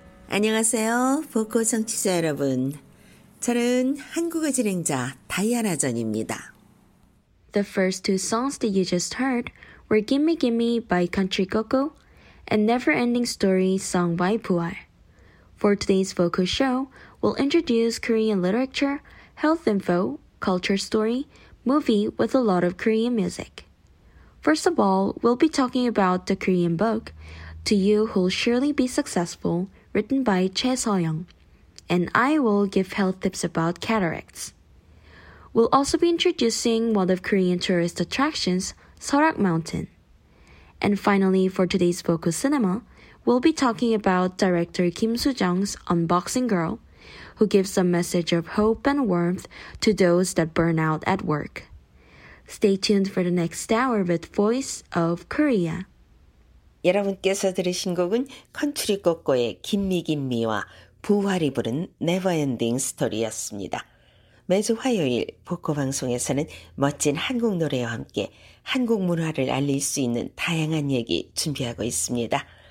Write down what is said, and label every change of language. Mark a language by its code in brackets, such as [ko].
[ko] 안녕하세요, 보코 청취자 여러분. 저는 한국어 진행자 다이아나 전입니다. [en] The first two songs that you just heard were Gimme Gimme by Country Coco and Never Ending Story sung by Buar. For today's Voco show, we'll introduce Korean literature, health info, culture story, movie with a lot of Korean music. First of all, we'll be talking about the Korean book, To You Who'll Surely Be Successful, written by Choi So-young. And I will give health tips about cataracts. We'll also be introducing one of Korean tourist attractions, Seorak Mountain. And finally, for today's Voco Cinema, we'll be talking about director Kim Soo-jung's Unboxing Girl, who gives a message of hope and warmth to those that burn out at work. Stay tuned for the next hour with Voice of Korea. [ko] 여러분께서 들으신 곡은 컨트리 꼬꼬의 김미김미와 부활이 부른 네버엔딩 스토리였습니다. 매주 화요일 보코 방송에서는 멋진 한국 노래와 함께 한국 문화를 알릴 수 있는 다양한 얘기 준비하고 있습니다.